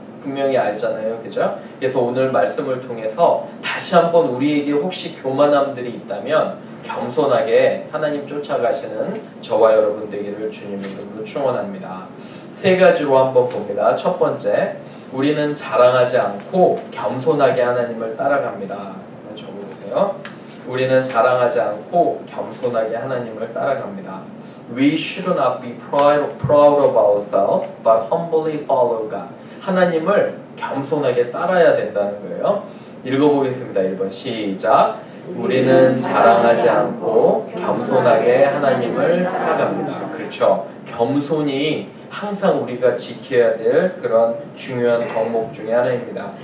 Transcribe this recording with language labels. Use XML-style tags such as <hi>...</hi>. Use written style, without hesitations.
<ko>분명히 알잖아요. 그죠? 그래서 오늘 말씀을 통해서 다시 한번 우리에게 혹시 교만함들이 있다면 겸손하게 하나님 쫓아가시는 저와 여러분 되기를 주님 이름으로 축원합니다. 세 가지로 한번 봅니다. 첫 번째, 우리는 자랑하지 않고 겸손하게 하나님을 따라갑니다. 적어보세요. 우리는 자랑하지 않고 겸손하게 하나님을 따라갑니다.</ko> <en>We should not be proud of ourselves, but humbly follow God.</en> <ko>하나님을 겸손하게 따라야 된다는 거예요. 읽어보겠습니다. 1번 시작! 우리는 자랑하지 않고 겸손하게 하나님을 따라갑니다. 그렇죠. 겸손이 항상 우리가 지켜야 될 그런 중요한 덕목 중에 하나입니다.</ko>